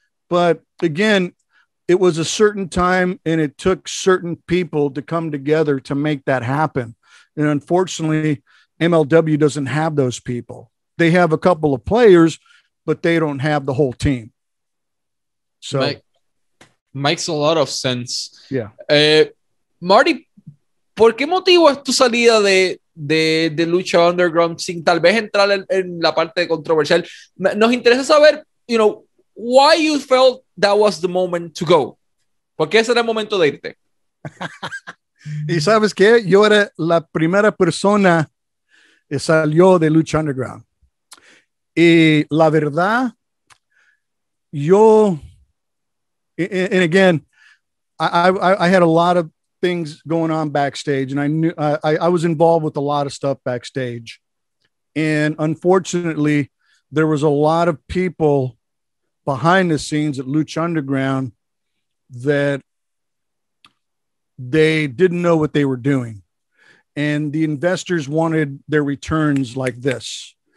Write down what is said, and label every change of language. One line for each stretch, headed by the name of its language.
English: But again, it was a certain time and it took certain people to come together to make that happen. And unfortunately, MLW doesn't have those people. They have a couple of players, but they don't have the whole team. So makes a lot of sense. Yeah.
Spanish: Marty, ¿por qué motivo es tu salida de Lucha Underground sin tal vez entrar en la parte controversial? Nos interesa saber,
English: you know, why you felt that was the moment to go.
Spanish: ¿Por qué ese era el momento de irte? Y sabes qué, yo era la primera persona que salió de Lucha Underground. Y la verdad, yo,
English: and again, I had a lot of things going on backstage, and I knew I was involved with a lot of stuff backstage, and unfortunately there was a lot of people behind the scenes at Lucha Underground that they didn't know what they were doing, and the investors wanted their returns like this.